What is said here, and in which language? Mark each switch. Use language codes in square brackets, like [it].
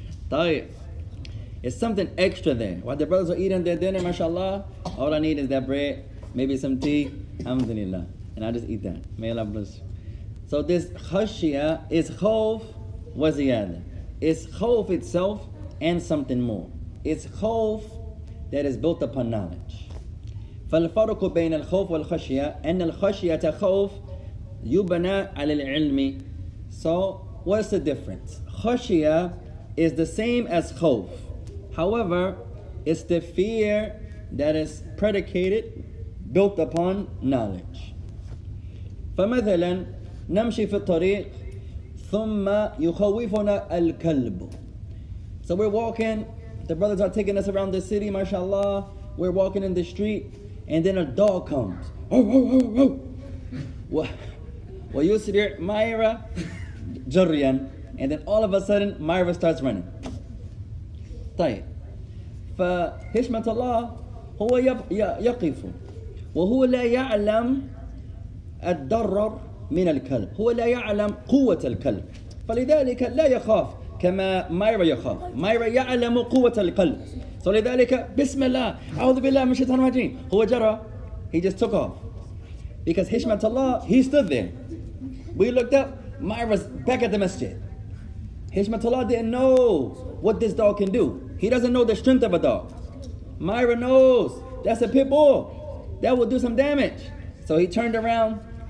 [en] طيب, it's something extra there. While the brothers are eating their dinner, mashallah, all I need is that bread, maybe some tea. الحمد لله. And I just eat that. May Allah bless you. So this khashiyah is khawf waziyad. It's khawf itself and something more. It's khawf that is built upon knowledge. [ar] فالفرق بين الخوف والخشية أن الخشية خوف يبنى على العلم. [en] So what's the difference? خشية is the same as khawf. However, it's the fear that is predicated, built upon knowledge. [ar] فمثلا نمشي في الطريق ثم يخوفنا الكلب. [en] So we're walking, the brothers are taking us around the city, mashallah. We're walking in the street, and then a dog comes. Oh, oh, oh, oh. [ar] ويسرع مايرا جريا. [en] And then all of a sudden, Myra starts running. [ar] طيب. فحشمة الله هو يقف. وهو لا يعلم الضرر من الكلب. هو لا يعلم قوة الكلب. فلذلك لا يخاف كما مايرا يخاف. مايرا يعلم قوة الكلب. فلذلك بسم الله أعوذ بالله من الشيطان الرجيم. هو جرى. [en] He just took off. Because هشمة الله, he stood there. We looked up, Myra's back at the masjid. هشمة الله didn't know what this dog can do. He doesn't know the strength of a dog. Myra knows that's a pit bull. That will do some damage. So he turned around.